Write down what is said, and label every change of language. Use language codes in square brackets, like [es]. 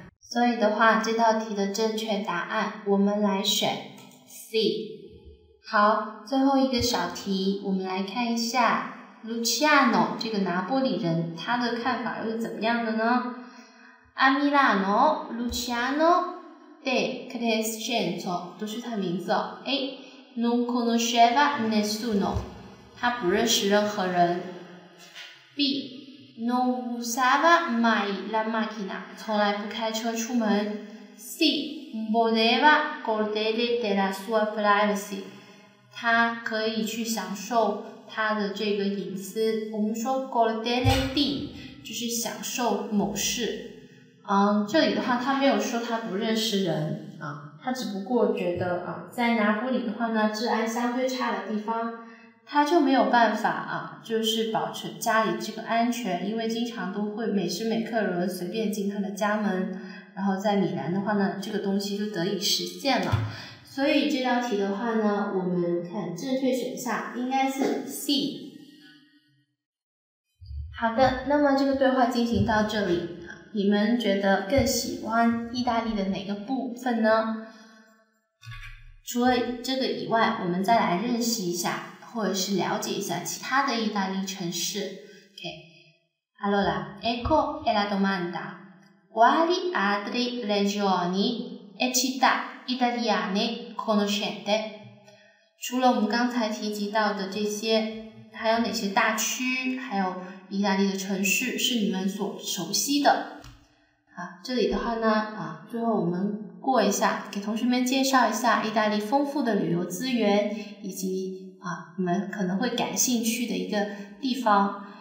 [zh] 所以的话，这道题的正确答案我们来选 C。好，最后一个小题，我们来看一下 Luciano 这个拿破里人他的看法又是怎么样的呢？阿米拉诺 Luciano de Crescenzo 都是他的名字哦。 [it] A non conosceva nessuno， [zh] 他不认识任何人。 [it] B non usava mai la macchina， [zh] 从来不开车出门。 [it] C voleva godere della sua privacy， [zh] 他可以去享受他的这个隐私。我们说 godere di 就是享受某事。这里的话他没有说他不认识人啊，他只不过觉得啊，在拿破里的话呢，治安相对差的地方，他就没有办法啊，就是保持家里这个安全，因为经常都会每时每刻有人随便进他的家门。然后在米兰的话呢，这个东西就得以实现了。所以这道题的话呢，我们看正确选项应该是 C。好的，那么这个对话进行到这里，你们觉得更喜欢意大利的哪个部分呢？除了这个以外，我们再来认识一下或者是了解一下其他的意大利城市。 [it] OK， allora ecco è la domanda， quali altre regioni e città italiane conoscete？ [zh] 除了我们刚才提及到的这些，还有哪些大区还有意大利的城市是你们所熟悉的？啊，这里的话呢，啊，最后我们过一下，给同学们介绍一下意大利丰富的旅游资源，以及啊，你们可能会感兴趣的一个地方。